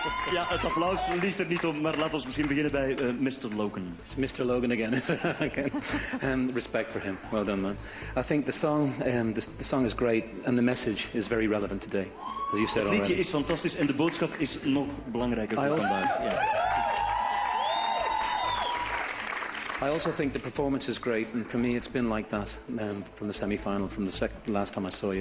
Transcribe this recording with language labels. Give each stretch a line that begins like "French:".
Dutch: Ja, het applaus ligt er niet om, maar laten we misschien beginnen bij Mr. Logan.
English: It's Mr. Logan again. respect for him. Well done, man. I think the song is great and the message is very relevant today, as you said
Dutch: already. Het liedje
English: already.
Dutch: Is fantastisch en de boodschap is nog belangrijker voor vandaag.
English: I also think the performance is great, and for me it's been like that from the semi-final, from the last time I saw you.